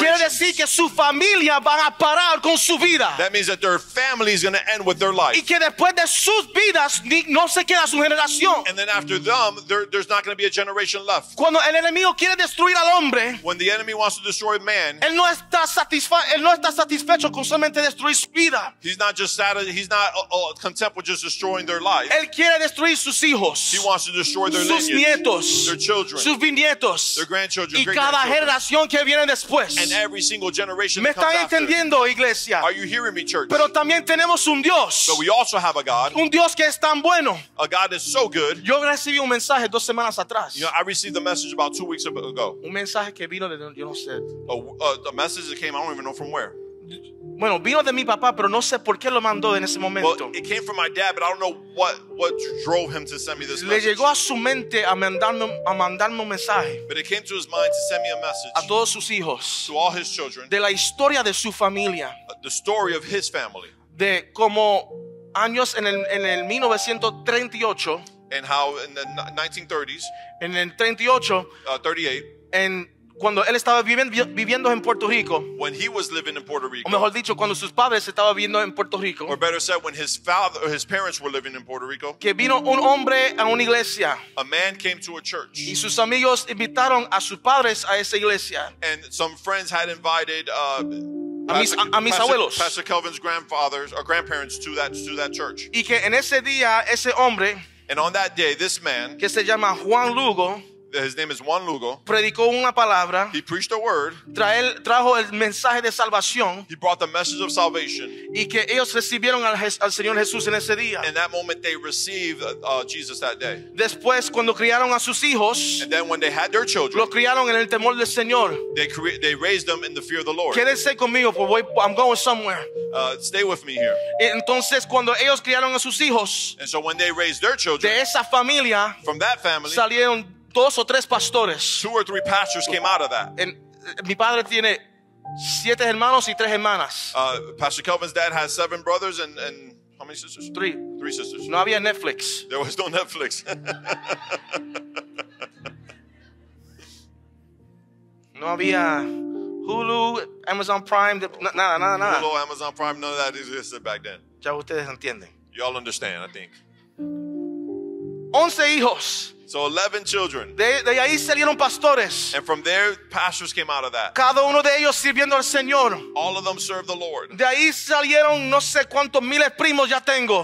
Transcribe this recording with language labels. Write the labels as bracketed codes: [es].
[es] Quiere decir que su familia van a parar con su vida. [en] That means that their family is going to end with their life. [es] Y que después de sus vidas no se queda su generación. [en] And then after them, there's not going to be a generation left. [es] Cuando el enemigo quiere destruir a [en] when the enemy wants to destroy man, [es] él no está satisfecho con solamente destruir su vida. [en] He's not content with just destroying their life. [es] Él quiere destruir sus hijos. [en] He wants to destroy their [es] sus [en] lineage, [es] nietos, [en] their children, [es] sus bisnietos, [en] their grandchildren, [es] y cada generación que viene después. [en] And every single generation. [es] Me está entendiendo, [en] after. [es] Iglesia. [en] Are you hearing me, church? [es] Pero también tenemos un Dios. [en] But we also have a God. [es] Un Dios que es tan bueno. [en] A God is so good. [es] Yo recibí un mensaje 2 semanas atrás. [en] You know, I received a message about 2 weeks ago. [es] Mensaje que vino de yo no sé. [en] A message that came, I don't even know from where. [es] Bueno, vino de mi papá, pero no sé por qué lo mandó en ese momento. [en] Well, it came from my dad, but I don't know what drove him to send me this message. [es] Le llegó a su mente a mandarme un mensaje. [en] But it came to his mind to send me a message. [es] A todos sus hijos. [en] To all his children. [es] De la historia de su familia. [en] The story of his family. [es] De como años en el 1938. [en] And how in the 1930s. [es] En el 38. [en] 38. [es] En cuando él estaba viviendo en Puerto Rico, [en] when he was living in Puerto Rico, [es] o mejor dicho, cuando sus padres estaban viviendo en Puerto Rico, [en] or better said, when his parents were living in Puerto Rico, [es] que vino un hombre a una iglesia, [en] a man came to a church, [es] y sus amigos invitaron a sus padres a esa iglesia, [en] and some friends had invited [es] mis abuelos, [en] Pastor Kelvin's grandfathers or grandparents to that church, [es] y que en ese día ese hombre, [en] and on that day this man, [es] que se llama Juan Lugo. [en] His name is Juan Lugo. [es] Predicó una palabra. [en] He preached a word. [es] Trajo el mensaje de salvación. [en] He brought the message of salvation. [es] Y que ellos recibieron al Señor Jesús en ese día. [en] In that moment, they received Jesus that day. [es] Después, cuando criaron a sus hijos, [en] and then when they had their children, [es] los criaron en el temor del Señor. [en] They raised them in the fear of the Lord. [es] Quédense conmigo, porque [en] I'm going somewhere. Stay with me here. [es] Entonces, cuando ellos criaron a sus hijos, [en] and so when they raised their children, [es] de esa familia, [en] from that family, [es] salieron dos o tres pastores. [en] Two or three pastors came out of that. [es] Mi padre tiene 7 hermanos y 3 hermanas. [en] Pastor Kelvin's dad has 7 brothers and how many sisters? 3. 3 sisters. [es] No había Netflix. [en] There was no Netflix. [es] No había Hulu, Amazon Prime, nada. [en] Hulu, Amazon Prime, none of that existed back then. [es] Ya ustedes entienden. [en] Y'all understand, I think. [es] 11 hijos. [en] So 11 children. [es] De ahí salieron pastores. [en] And from there, pastors came out of that. [es] Cada uno de ellos sirviendo al Señor. [en] All of them served the Lord. [es] De ahí salieron no sé cuántos miles primos ya tengo.